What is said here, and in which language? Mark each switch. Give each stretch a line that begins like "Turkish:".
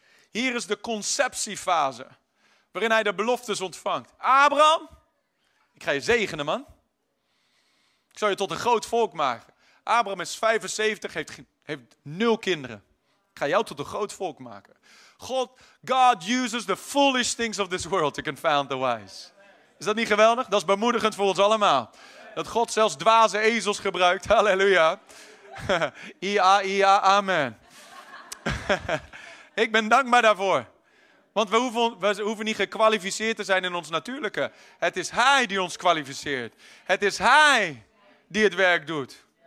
Dutch: Hier is de conceptiefase waarin hij de beloftes ontvangt. Abraham, ik ga je zegenen, man. Ik zal je tot een groot volk maken. Abraham is 75, heeft nul kinderen. Ik ga jou tot een groot volk maken.
English: God uses the foolish things of this world to confound the wise.
Dutch: Is dat niet geweldig? Dat is bemoedigend voor ons allemaal. Dat God zelfs dwaze ezels gebruikt. Halleluja. Ia, ia, amen. Ik ben dankbaar daarvoor. Want we hoeven niet gekwalificeerd te zijn in ons natuurlijke. Het is Hij die ons kwalificeert. Het is Hij die het werk doet.